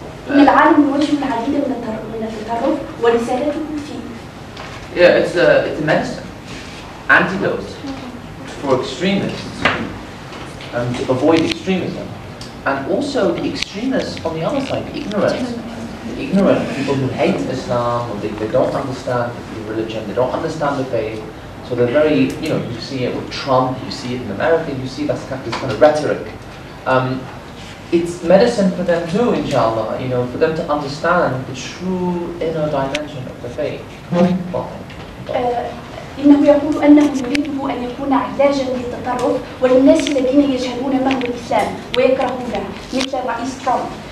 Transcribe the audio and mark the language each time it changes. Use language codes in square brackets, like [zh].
[ar] إن العالم يواجه العديد من التطرف ورسالته فيه. [en] Yeah, it's a medicine, antidote for extremists and to avoid extremism and also the extremists on the other side, ignorance. Ignorant people who hate Islam, or they don't understand the religion, they don't understand the faith, so they're very, you know, you see it with Trump, you see it in America, you see that's kind of, this kind of rhetoric. It's medicine for them too, inshallah, you know, for them to understand the true inner dimension of the faith. [ar] إنه يقول أنه يريده أن يكون علاجاً للتطرف وللناس الذين يجهلون ما هو الإسلام ويكرهونه، مثل رئيس ترامب.